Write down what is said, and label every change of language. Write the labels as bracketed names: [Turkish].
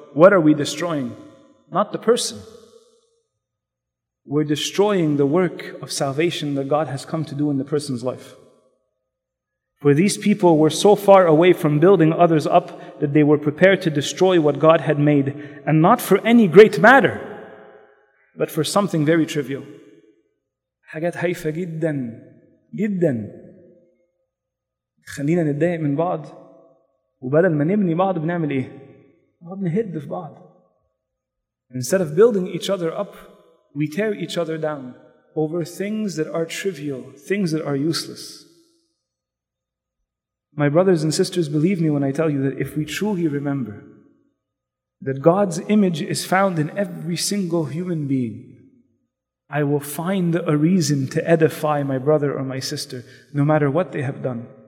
[English] What are we destroying? Not the person. We're destroying the work of salvation that God has come to do in the person's life. For these people were so far away from building others up that they were prepared to destroy what God had made, and not for any great matter, but for something very trivial. [Arabic] حاجات هايفة جدا جدا خلينا نتضايق من بعض وبدل ما نبني بعض بنعمل ايه؟ نهد في بعض. [English] Instead of building each other up, we tear each other down over things that are trivial, things that are useless. My brothers and sisters, believe me when I tell you that if we truly remember that God's image is found in every single human being, I will find a reason to edify my brother or my sister, no matter what they have done.